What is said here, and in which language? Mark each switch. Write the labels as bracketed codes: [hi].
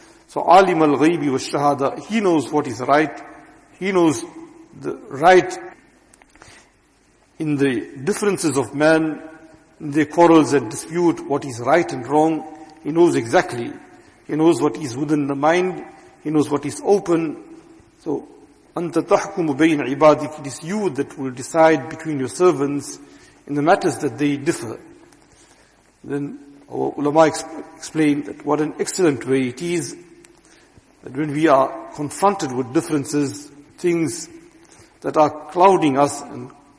[en] So Alim al-Ghaybi wa shahada, he knows what is right. He knows the right in the differences of man, in their quarrels and dispute, what is right and wrong. He knows exactly. He knows what is within the mind. He knows what is open. So, [ar] أَنْتَ تَحْكُمُ بَيْنَ عِبَادِكِ. [en] It is you that will decide between your servants in the matters that they differ. Then our ulama explain that what an excellent way it is that when we are confronted with differences, things that are clouding us and